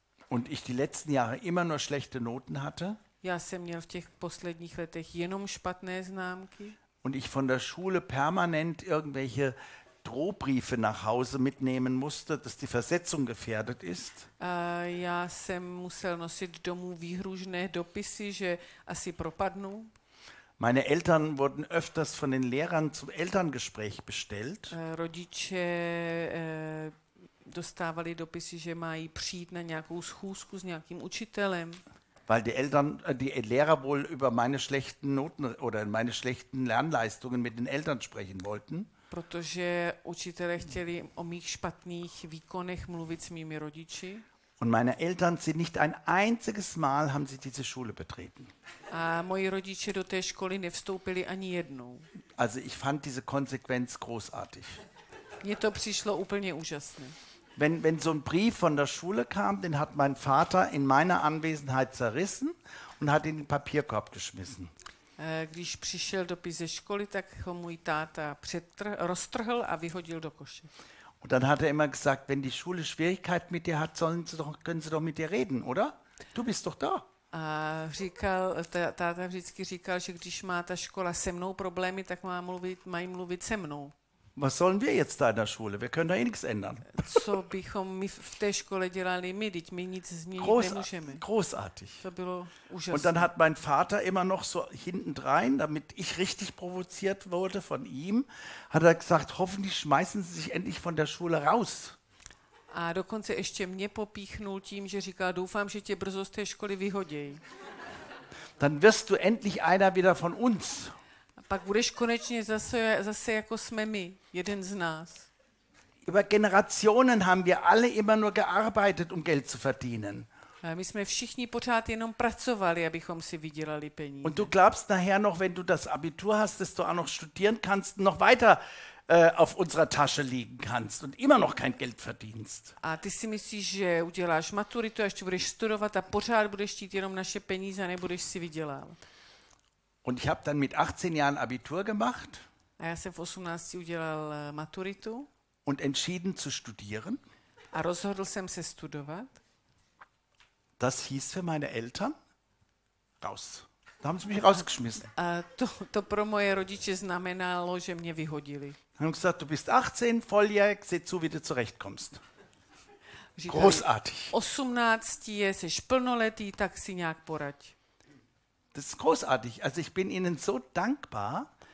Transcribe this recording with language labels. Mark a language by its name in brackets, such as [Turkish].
[German] Und ich die letzten Jahre immer nur schlechte Noten hatte. [Czech] Já jsem měl v těch posledních letech jenom špatné známky. [German] und ich von der Schule permanent irgendwelche Drohbriefe nach Hause mitnehmen musste, dass die Versetzung gefährdet ist. [Czech] Já jsem musel nosit domů výhružné dopisy, že asi propadnu. [German] Meine Eltern wurden öfters von den Lehrern zum Elterngespräch bestellt. [Czech] Rodiče dostávali dopisy, že mají přijít na nějakou schůzku s nějakým učitelem. [German] Weil die Eltern, die Lehrer wohl über meine schlechten Noten oder meine schlechten Lernleistungen mit den Eltern sprechen wollten. [Czech] Protože učitelé chtěli o mých špatných výkonech mluvit s mými rodiči. [German] Und meine Eltern sind nicht ein einziges Mal haben sie diese Schule betreten. [Czech] A moji rodiče do té školy nevstoupili ani jednou. [German] Also ich fand diese Konsequenz großartig. [Czech] Mně to přišlo úplně úžasné. [German] Wenn so ein Brief von der Schule kam, den hat mein Vater in meiner Anwesenheit zerrissen und hat ihn in den Papierkorb geschmissen. [Czech] Když přišel dopis ze školy, tak ho můj táta roztrhl a vyhodil do koše. [German] Und dann hat er immer gesagt, wenn die Schule Schwierigkeiten mit dir hat, sollen sie doch, können sie doch mit dir reden, oder? Du bist doch da. [Czech] A říkal, táta vždycky říkal, že když má ta škola se mnou problémy, tak mají mluvit se mnou. [German] Was sollen wir jetzt da in der Schule? Wir können da eh nichts ändern. [Czech] Co bychom my v té škole dělali my, teď my nic změnit nemůžeme. [German] Großartig. [Czech] To bylo úžasné. [German] Und dann hat mein Vater immer noch so hintendrein, damit ich richtig provoziert wurde von ihm, hat er gesagt, hoffentlich schmeißen Sie sich endlich von der Schule raus. [Czech] A dokonce ještě mě popíchnul tím, že říkal, doufám, že tě brzo z té školy vyhodějí. [German] Dann wirst du endlich einer wieder von uns. [Czech] Pak budeš konečně zase jako jsme my, jeden z nás. [German] Über Generationen haben wir alle immer nur gearbeitet, um Geld zu verdienen. [Czech] My jsme všichni pořád jenom pracovali, abychom si vydělali peníze. [German] Und du glaubst nachher noch, wenn du das Abitur hast, dass du auch noch studieren kannst, noch weiter auf unserer Tasche liegen kannst und immer noch kein Geld verdienst. [Czech] A ty si myslíš, že uděláš maturitu, ještě budeš studovat a pořád budeš chtít jenom naše peníze, nebudeš si vydělávat. [German] Und ich habe dann mit 18 Jahren Abitur gemacht. [Czech] A já jsem v 18 udělal maturitu. [German] Und entschieden zu studieren. [Czech] A rozhodl jsem se studovat. [German] Das hieß für meine Eltern raus. Da haben sie mich rausgeschmissen. [Czech] A to pro moje rodiče znamenalo, že mě vyhodili. [German] Haben gesagt, du bist 18, volljährig, seh zu, wie du zurechtkommst. Großartig. [Czech] 18 je, jsi plnoletý, tak si nějak poraď. [German] Das ist großartig. Also ich bin Ihnen so dankbar,